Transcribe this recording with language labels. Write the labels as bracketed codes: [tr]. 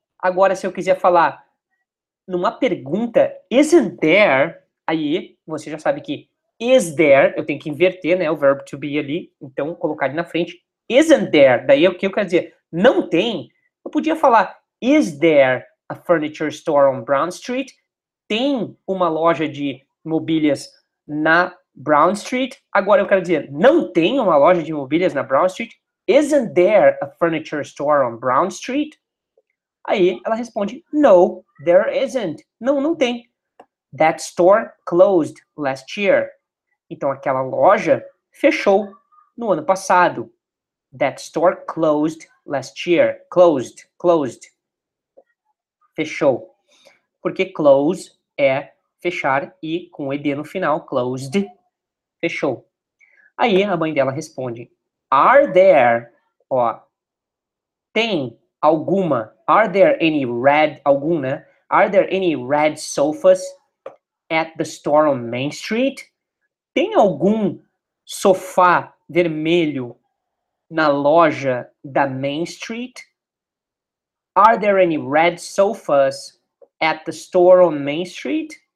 [pt] Agora, se eu quiser falar numa pergunta, [en] isn't there, [pt] aí você já sabe que [en] is there, [pt] eu tenho que inverter, né, o verbo to be ali, então colocar ali na frente, isn't there, daí o que eu quero dizer, não tem, eu podia falar, [en] is there a furniture store on Brown Street? [pt] Tem uma loja de mobílias na Brown Street? Agora eu quero dizer, não tem uma loja de mobílias na Brown Street? [en] Isn't there a furniture store on Brown Street? [pt] Aí ela responde, [en] no, there isn't, [pt] não, não tem. [en] That store closed last year. [pt] Então, aquela loja fechou no ano passado. [en] That store closed last year. Closed, closed. Fechou. [pt] Porque close é fechar e com ED no final, closed, fechou. Aí, a mãe dela responde, [en] are there, [pt] ó, tem alguma, [en] are there any red, [pt] algum, né? [en] Are there any red sofas at the store on Main Street? [pt] Tem algum sofá vermelho na loja da Main Street? [en] Are there any red sofas at the store on Main Street?